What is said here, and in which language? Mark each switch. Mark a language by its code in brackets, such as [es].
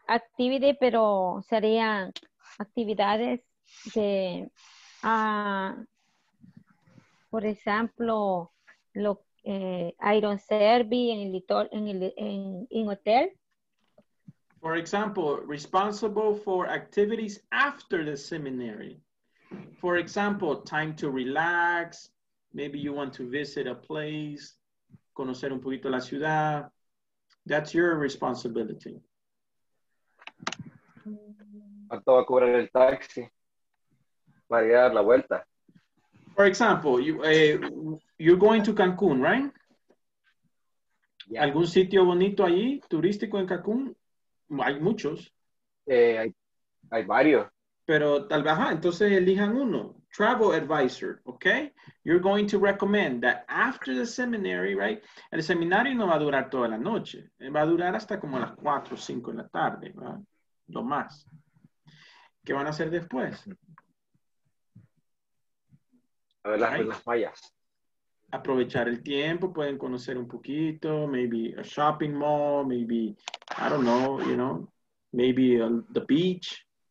[es] Activity, pero serían actividades de, por ejemplo, lo iron service en hotel. [en] For example, responsible for activities after the seminary. For example, time to relax. Maybe you want to visit a place, [es] conocer un poquito la ciudad. [en] That's your responsibility. [es] ¿Cuánto va a cobrar el taxi para ir a dar la vuelta? [en] For example, you're going to Cancún, right? Yeah. [es] ¿Algún sitio bonito allí, turístico en Cancún? Hay muchos. Hay varios. Pero tal vez, entonces elijan uno. Travel advisor, okay? [en] You're going to recommend that after the seminary, right? [es] El seminario no va a durar toda la noche. Va a durar hasta como las 4 o 5 de la tarde, ¿verdad? Lo más. ¿Qué van a hacer después? A ver las fallas. Aprovechar el tiempo, pueden conocer un poquito, [en] maybe a shopping mall, maybe, I don't know, you know, maybe the beach.